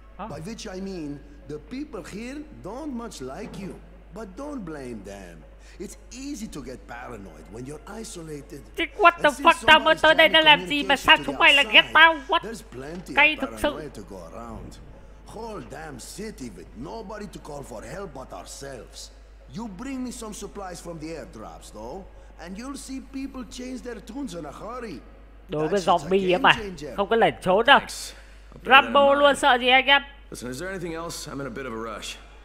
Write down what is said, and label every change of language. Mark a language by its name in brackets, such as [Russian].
[English] By which I mean, the people here don't much like you, but don't blame them. It's easy to get paranoid when you're isolated. Chick, what the fuck? [Vietnamese] Tao mới tới đây để làm gì mà sao chúng mày lại ghét tao? What? Cay thực sự. [English] Whole damn city with nobody to call for help but ourselves. You bring me some supplies from the airdrops, though, and you'll see people change their tunes in a hurry. [Vietnamese] Đối với zombie mà không có lẩn trốn đâu. Rambo luôn sợ gì anh em? [English] Listen, is there anything else? I'm in a bit of a rush.